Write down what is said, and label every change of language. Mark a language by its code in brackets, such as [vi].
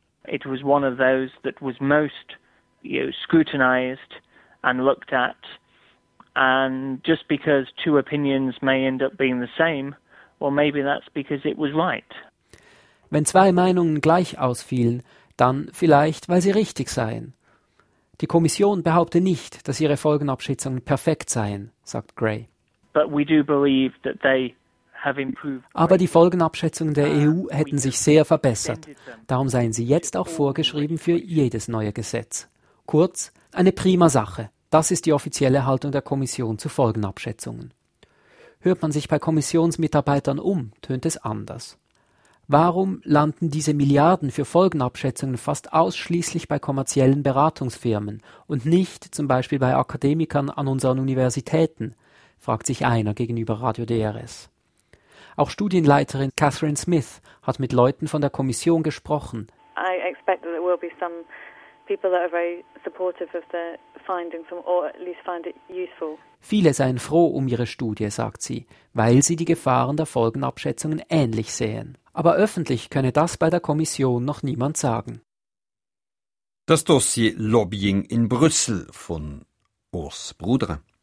[en] It was one of those that was most, you know, scrutinized and looked at. And just because two opinions may end up being the same, well, maybe that's because it was right. [de] Wenn zwei Meinungen gleich ausfielen, dann vielleicht, weil sie richtig seien. Die Kommission behaupte nicht, dass ihre Folgenabschätzungen perfekt seien, sagt Gray. [en] But we do believe that they have improved. [de] Aber die Folgenabschätzungen der EU hätten sich sehr verbessert. Darum seien sie jetzt auch vorgeschrieben für jedes neue Gesetz. Kurz, eine prima Sache. Das ist die offizielle Haltung der Kommission zu Folgenabschätzungen. Hört man sich bei Kommissionsmitarbeitern um, tönt es anders. Warum landen diese Milliarden für Folgenabschätzungen fast ausschließlich bei kommerziellen Beratungsfirmen und nicht zum Beispiel bei Akademikern an unseren Universitäten, fragt sich einer gegenüber Radio DRS. Auch Studienleiterin Catherine Smith hat mit Leuten von der Kommission gesprochen. [en] I expect that there will be some people that are very supportive of the findings or at least find it useful. [de] Viele seien froh um ihre Studie, sagt sie, weil sie die Gefahren der Folgenabschätzungen ähnlich sehen. Aber öffentlich könne das bei der Kommission noch niemand sagen. Das Dossier Lobbying in Brüssel von Urs Brudre.